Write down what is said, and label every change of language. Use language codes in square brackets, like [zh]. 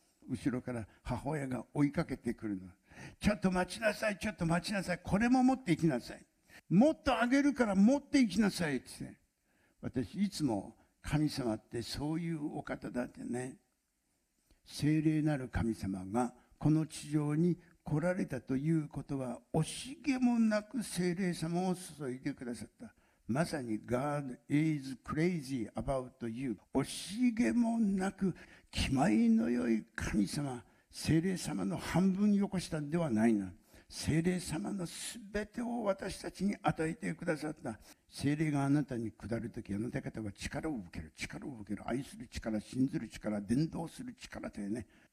[ja] 後ろから母親が追いかけてくるの。ちょっと待ちなさい、ちょっと待ちなさい、これも持っていきなさい、もっとあげるから持っていきなさいって。私いつも神様ってそういうお方だってね、聖霊なる神様がこの地上に来られたということは、惜しげもなく聖霊様を注いでくださった。まさに [en] God is crazy about you。 [ja] 惜しげもなく気前の良い神様、聖霊様の半分よこしたんではないな、聖霊様のすべてを私たちに与えてくださった。聖霊があなたに下るとき、あなた方は力を受ける、力を受ける、愛する力、信ずる力、伝道する力というね。